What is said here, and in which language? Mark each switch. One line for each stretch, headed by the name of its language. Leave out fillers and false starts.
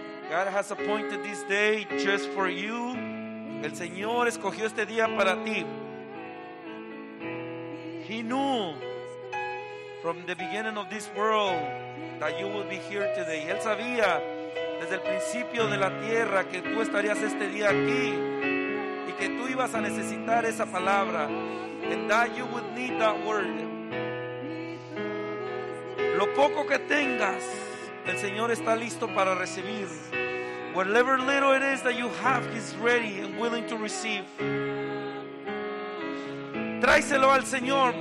English: God has appointed this day just for you.
Spanish: El Señor escogió este día para ti.
English: He knew from the beginning of this world that you would be here today.
Spanish: Él sabía desde el principio de la tierra que tú estarías este día aquí y que tú ibas a necesitar esa palabra.
English: And that you would need that word.
Spanish: Lo poco que tengas, el Señor está listo para recibir.
English: Whatever little it is that you have, he's ready and willing to receive.
Spanish: Tráeselo al Señor.